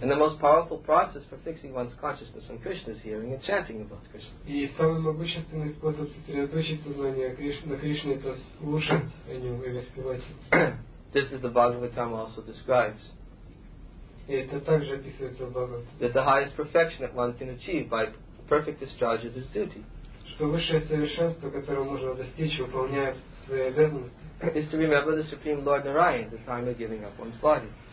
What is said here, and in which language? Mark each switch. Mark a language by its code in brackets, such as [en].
[en] And the most powerful process for fixing one's consciousness on Krishna is hearing and chanting about Krishna. [ru] И самый могущественный способ сосредоточить сознание на Кришне — это слушать о нем и воспевать. [en] This is the Bhagavatam also describes. [ru] И это также описывается в Бхагаватам. [en] That the highest perfection that one can achieve by perfect discharge of his duty. [ru] Что высшее совершенство, которое можно достичь, выполняя свои обязанности, [en] is to remember the Supreme Lord Narayan the time of giving up one's body.